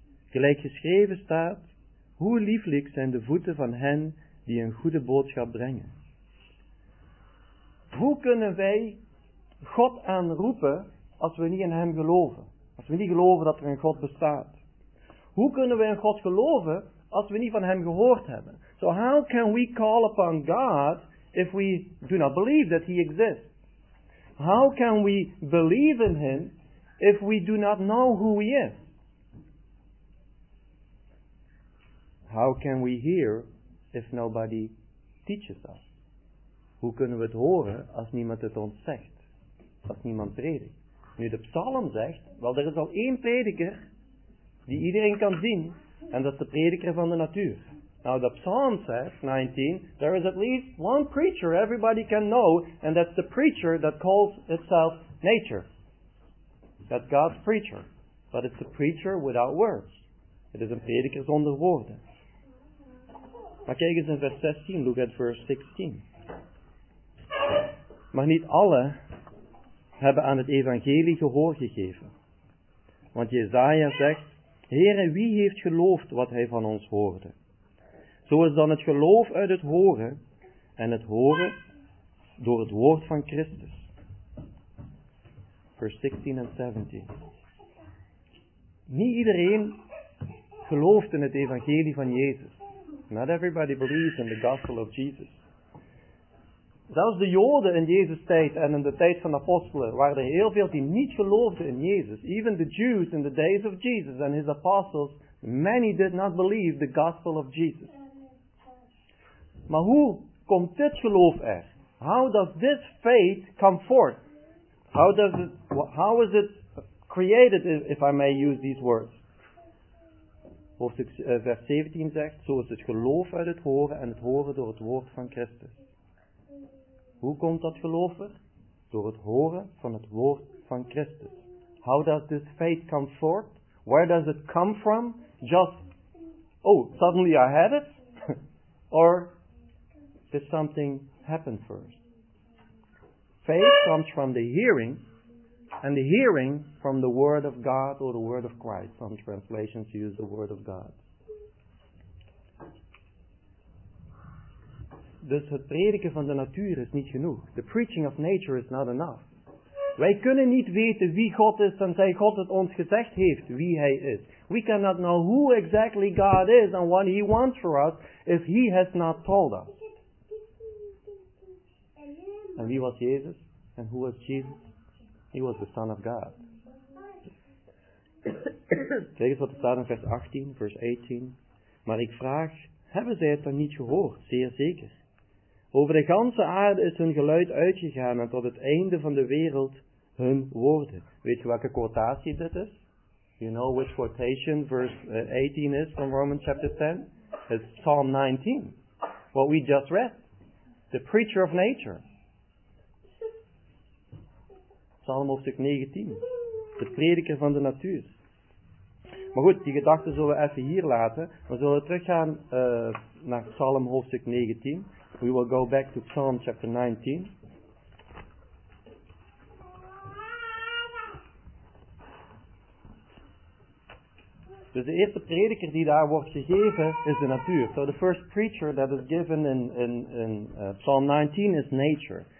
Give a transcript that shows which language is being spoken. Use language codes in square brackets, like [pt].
[nl] Gelijk geschreven staat, hoe lieflijk zijn de voeten van hen die een goede boodschap brengen. Hoe kunnen wij God aanroepen als we niet in hem geloven? Als we niet geloven dat er een God bestaat? Hoe kunnen we in God geloven als we niet van hem gehoord hebben? [en] So how can we call upon God if we do not believe that he exists? How can we believe in him if we do not know who he is? How can we hear if nobody teaches us? [nl] Hoe kunnen we het horen als niemand het ons zegt? Als niemand predikt? Nu, de psalm zegt, wel, er is al één prediker die iedereen kan zien, en dat is de prediker van de natuur. Nou, de psalm zegt, [en] 19, there is at least one preacher everybody can know, and that's the preacher that calls itself nature. That's God's preacher. But it's a preacher without words. [nl] Het is een prediker zonder woorden. Maar kijk eens in vers 16, [en] look at verse 16. [nl] Maar niet alle hebben aan het evangelie gehoor gegeven. Want Jesaja zegt, Heere, wie heeft geloofd wat hij van ons hoorde? Zo is dan het geloof uit het horen en het horen door het woord van Christus. Vers 16 en 17. Niet iedereen gelooft in het evangelie van Jezus. [en] Not everybody believes in the gospel of Jesus. [nl] Zelfs de Joden in Jezus' tijd en in de tijd van de apostelen waren er heel veel die niet geloofden in Jezus. [en] Even the Jews in the days of Jesus and his apostles, many did not believe the gospel of Jesus. [nl] Maar hoe komt dit geloof er? [en] How does this faith come forth? How is it created, if I may use these words? [nl] Hoofdstuk vers 17 zegt, zo is het geloof uit het horen en het horen door het woord van Christus. Hoe komt dat geloof er? Door het horen van het woord van Christus. [en] How does this faith come forth? Where does it come from? Just, oh, suddenly I had it? Or did something happen first? Faith comes from the hearing, and the hearing from the word of God or the word of Christ. Some translations use the word of God. [nl] Dus het prediken van de natuur is niet genoeg. [en] The preaching of nature is not enough. [nl] Wij kunnen niet weten wie God is tenzij God het ons gezegd heeft wie hij is. [en] We cannot know who exactly God is and what he wants for us if he has not told us. [nl] En wie was Jezus? En hoe was Jezus? [en] He was the Son of God. [nl] Kijk eens wat er staat in vers 18, vers 18. Maar ik vraag, hebben zij het dan niet gehoord? Zeer zeker. Over de ganse aarde is hun geluid uitgegaan en tot het einde van de wereld hun woorden. Weet je welke quotatie dit is? [en] You know which quotation verse 18 is from Romans chapter 10? It's Psalm 19. What we just read. The preacher of nature. [nl] Psalm hoofdstuk 19, de prediker van de natuur. Maar goed, die gedachten zullen we even hier laten. We zullen teruggaan naar Psalm hoofdstuk 19. [en] We will go back to Psalm chapter 19. [nl] Dus de eerste prediker die daar wordt gegeven is de natuur. [en] So the first preacher that is given in Psalm 19 is nature.